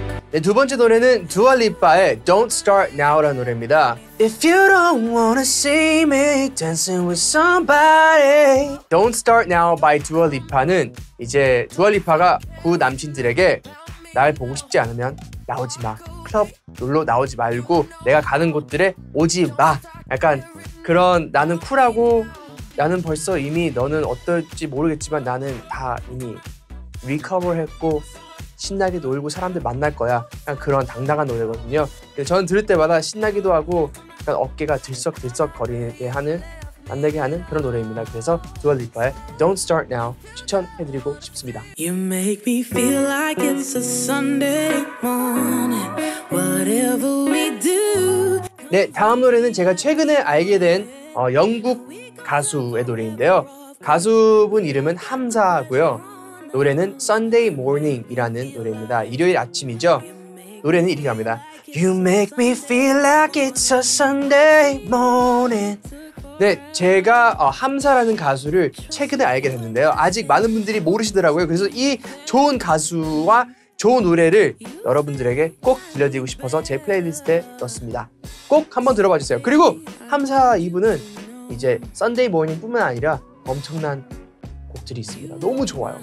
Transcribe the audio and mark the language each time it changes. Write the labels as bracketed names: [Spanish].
[Korean] 네, 두 번째 노래는 두아리파의 Don't Start Now라는 노래입니다. [English] If you don't wanna see me dancing with somebody. [Korean] Don't Start Now by 두아리파는 이제 두아리파가 구 남친들에게 날 보고 싶지 않으면 나오지 마. 클럽 놀러 나오지 말고 내가 가는 곳들에 오지 마. 약간 그런 나는 쿨하고 나는 벌써 이미 너는 어떨지 모르겠지만 나는 다 이미 리커버를 했고 신나게 놀고 사람들 만날 거야. 그냥 그런 당당한 노래거든요. 저는 들을 때마다 신나기도 하고 약간 어깨가 들썩들썩 거리게 하는 만나게 하는 그런 노래입니다. 그래서 두얼리파의 Don't Start Now 추천해드리고 싶습니다. [English] You make me feel like it's a Sunday morning. Whatever we do. [Korean] 네, 다음 노래는 제가 최근에 알게 된 영국 가수의 노래인데요. 가수분 이름은 함사고요. 노래는 Sunday Morning이라는 노래입니다. 일요일 아침이죠. 노래는 이렇게 합니다. [English] You make me feel like it's a Sunday morning. [Korean] 네, 제가 함사라는 가수를 최근에 알게 됐는데요. 아직 많은 분들이 모르시더라고요. 그래서 이 좋은 가수와 좋은 노래를 여러분들에게 꼭 들려드리고 싶어서 제 플레이리스트에 넣었습니다. 꼭 한번 들어봐 주세요. 그리고 함사 이분은 이제 Sunday Morning뿐만 아니라 엄청난 곡들이 있습니다. 너무 좋아요.